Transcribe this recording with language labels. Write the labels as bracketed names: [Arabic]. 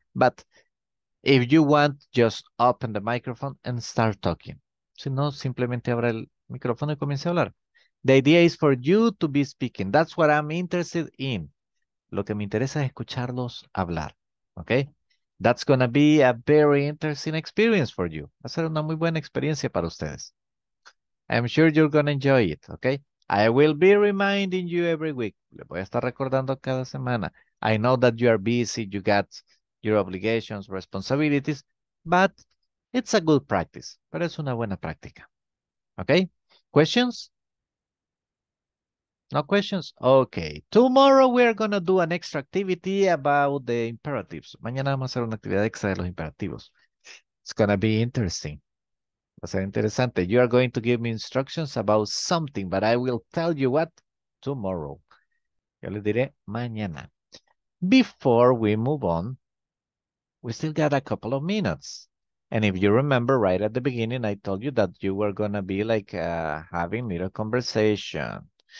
[English] But if you want, just open the microphone and start talking. [Spanish] Si no, simplemente abra el micrófono y comience a hablar. [English] The idea is for you to be speaking. That's what I'm interested in. [Spanish] Lo que me interesa es escucharlos hablar, okay? [English] That's going to be a very interesting experience for you. [Spanish] Va a ser una muy buena experiencia para ustedes. [English] I'm sure you're going to enjoy it, okay? I will be reminding you every week. [Spanish] Le voy a estar recordando cada semana. [English] I know that you are busy, you got your obligations, responsibilities, but it's a good practice. [Spanish] Pero es una buena práctica, okay? [English] Questions? No questions? Okay. Tomorrow we are going to do an extra activity about the imperatives. [Spanish] Mañana vamos a hacer una actividad extra de los imperativos. [English] It's going to be interesting. [Spanish] Va a ser interesante. [English] You are going to give me instructions about something, but I will tell you what tomorrow. [Spanish] Yo le diré mañana. [English] Before we move on, we still got a couple of minutes. And if you remember right at the beginning, I told you that you were going to be like having a little conversation.